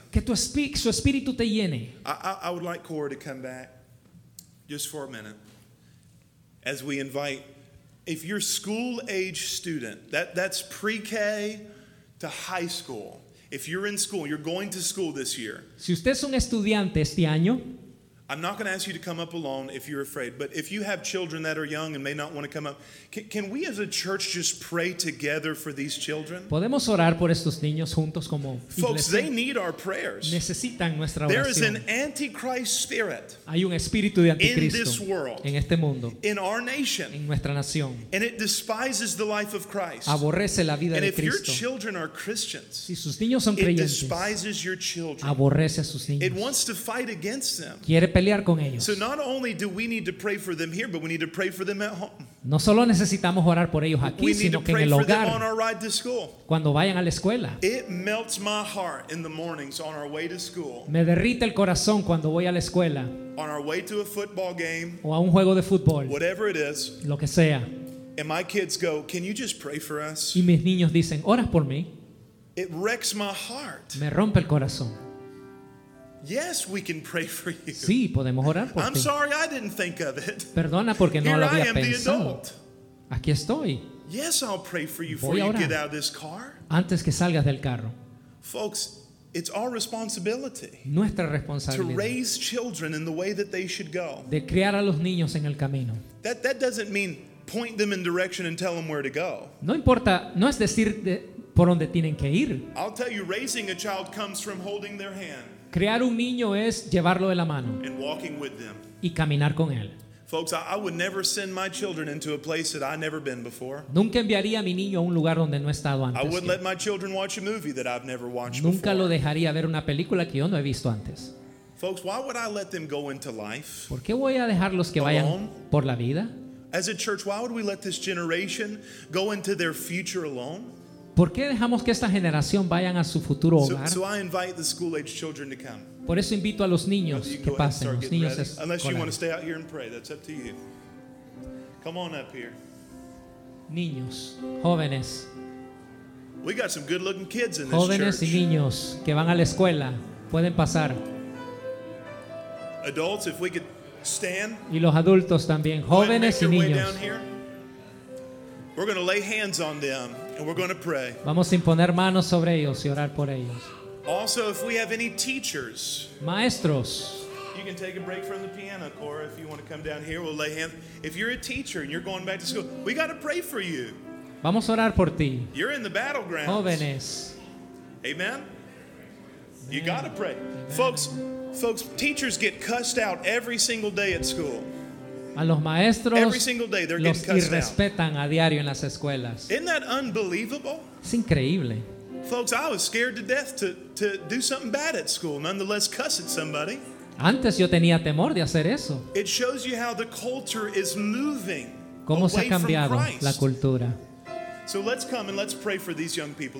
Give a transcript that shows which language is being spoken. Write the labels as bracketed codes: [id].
[es] Que tu su espíritu te llene. [en] I would like Cora to come back just for a minute as we invite. If you're school age student, that's pre-K to high school. If you're in school, you're going to school this year. [es] Si usted es un estudiante este año. [en] I'm not going to ask you to come up alone if you're afraid, but if you have children that are young and may not want to come up, can we as a church just pray together for these children? [es] Podemos orar por estos niños juntos como iglesia. [en] Folks, they need our prayers. [es] Necesitan nuestra oración. [en] There is an antichrist spirit. [es] Hay un espíritu de anticristo [en] in this world, [es] en este mundo, [en] in our nation, [es] en nuestra nación, [en] and it despises the life of Christ. [es] Aborrece la vida [en] and [es] de Cristo. [en] And if your children are Christians, [es] si sus niños son creyentes, [en] it despises your children. [es] Aborrece a sus niños. [en] It wants to fight against them. [es] Quiere pelear con ellos. [en] So not only do we need to pray for them here, but we need to pray for them at home. [es] No solo necesitamos orar por ellos aquí, sino que en el hogar. [en] We need to pray for them on our ride to school. [es] Cuando vayan a la escuela. [en] It melts my heart in the mornings on our way to school. [es] Me derrite el corazón cuando voy a la escuela. [en] On our way to a football game. [es] O a un juego de fútbol. [en] Whatever it is. [es] Lo que sea. [en] And my kids go, "Can you just pray for us?" [es] Y mis niños dicen, "Oras por mí." [en] It wrecks my heart. [es] Me rompe el corazón. [en] Yes, we can pray for you. [es] Sí, podemos orar por ti. [en] I'm sorry, I didn't think of it. [es] Perdona porque no lo había pensado. Aquí estoy. [en] Yes, I'll pray for you before you get out of this car. [es] Antes que salgas del carro. [en] Folks, it's our responsibility. [es] Nuestra responsabilidad. [en] To raise children in the way that they should go. [es] De criar a los niños en el camino. [en] That doesn't mean point them in direction and tell them where to go. [es] No importa, no es decir por dónde tienen que ir. [en] I'll tell you, raising a child comes from holding their hand. [es] Crear un niño es llevarlo de la mano y caminar con él. [en] Folks, I would never send my children into a place that I've never been before. [es] Nunca enviaría a mi niño a un lugar donde no he estado antes. [en] I wouldn't let my children watch a movie that I've never watched before. [es] Nunca lo dejaría ver una película que yo no he visto antes. [en] Folks, why would I let them go into life? [es] ¿Por qué voy a dejarlos que vayan [en] alone? [es] Por la vida? [en] As a church, why would we let this generation go into their future alone? [es] ¿Por qué dejamos que esta generación vayan a su futuro hogar? [en] So I invite the school-age children to come. [es] Por eso invito a los niños que pasen. Los niños es [en] unless you want to stay out here and pray, that's up to you. Come on up here. [es] Niños, jóvenes. [en] We got some good-looking kids in this church. [es] Jóvenes y niños que van a la escuela, pueden pasar. [en] Adults, if we could stand. [es] Y los adultos también, jóvenes y niños. [en] We're going to lay hands on them and we're going to pray. [es] Vamos a imponer manos sobre ellos y orar por ellos. [en] Also, if we have any teachers, [es] maestros, [en] you can take a break from the piano, Cora, if you want to come down here, we'll lay hands. If you're a teacher and you're going back to school, we got to pray for you. [es] Vamos a orar por ti. [en] You're in the battlegrounds. [es] Jóvenes. [en] Amen. Amen. You got to pray. Amen. Folks, teachers get cussed out every single day at school. [es] A los maestros [en] every single day they're [es] los irrespetan a diario en las escuelas. [en] Isn't that unbelievable? [es] Es increíble. [en] Folks, I was scared to death to do something bad at school, nonetheless cuss at somebody. [es] Antes yo tenía temor de hacer eso. [en] It shows you how the culture is moving. [es] Cómo se ha cambiado la cultura. [en] So let's come and let's pray for these young people.